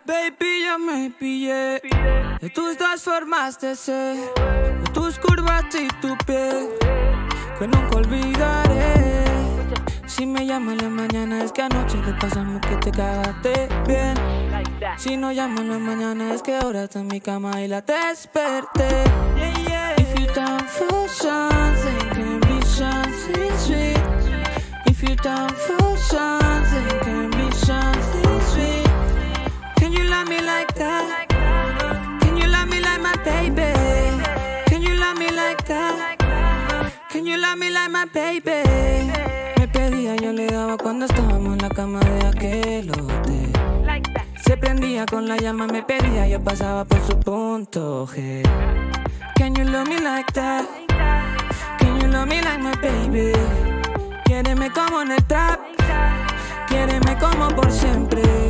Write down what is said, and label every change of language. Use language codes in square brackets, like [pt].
[es] Baby, yo me pillé de tus dos formas de ser, de tus curvas y tu piel, que nunca olvidaré. Si me llamo en la mañana es que anoche te pasamos que te cagaste bien. Si no llamo en la mañana es que ahora está en mi cama y la desperté. [en] If you down for something, can be something sweet. If you down for something, can be something sweet. Can you love me like that? Can you love me like my baby? Can you love me like that? Can you love me like my baby? [es] Pedía, yo le daba cuando estábamos en la cama de aquel hotel. Se prendía con la llama, me pedía, yo pasaba por su punto G. [en] Can you love me like that? Can you love me like my baby? [es] Quiéreme como en el trap. Quiéreme como por siempre.